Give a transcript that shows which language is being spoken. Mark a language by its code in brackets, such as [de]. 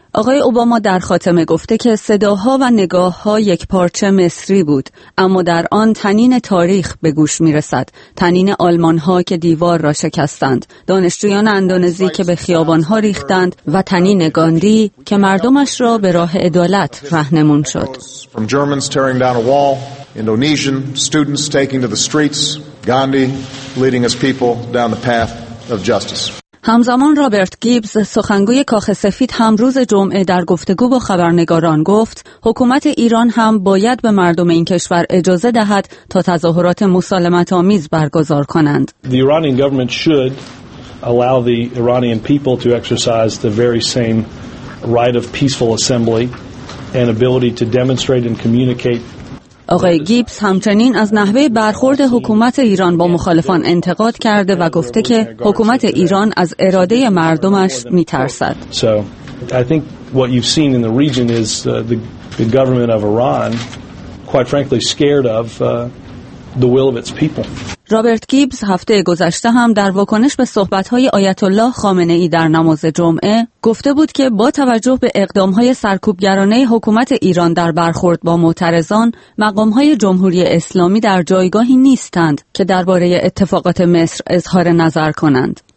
[fa] آقای اوباما در خاتمه گفته که صداها و نگاه‌ها یک پارچه مصری بود، اما در آن تنین تاریخ به گوش می‌رسد، تنین آلمان‌ها که دیوار را شکستند، دانشجویان اندونزی که به خیابان‌ها ریختند و تنین گاندی که مردمش را به راه عدالت رهنمون شد. [en] Indonesian students taking to the streets, Gandhi leading his people down the path of justice. [fa] همزمان رابرت گیبز سخنگوی کاخ سفید هم روز جمعه در گفتگو با خبرنگاران گفت حکومت ایران هم باید به مردم این کشور اجازه دهد تا تظاهرات مسالمت‌آمیز برگزار کنند. [en] The Iranian government should allow the Iranian people to exercise the very same right of peaceful assembly and ability to demonstrate and communicate. [fa] آقای گیبز همچنین از نحوه برخورد حکومت ایران با مخالفان انتقاد کرده و گفته که حکومت ایران از اراده مردمش می‌ترسد. [en] So I think what you've seen in the region is the government of Iran quite frankly scared of the will of its people. [fa] رابرت گیبز هفته گذشته هم در واکنش به صحبت‌های آیت الله خامنه‌ای در نماز جمعه گفته بود که با توجه به اقدام‌های سرکوبگرانه حکومت ایران در برخورد با معترضان، مقام‌های جمهوری اسلامی در جایگاهی نیستند که درباره اتفاقات مصر اظهار نظر کنند.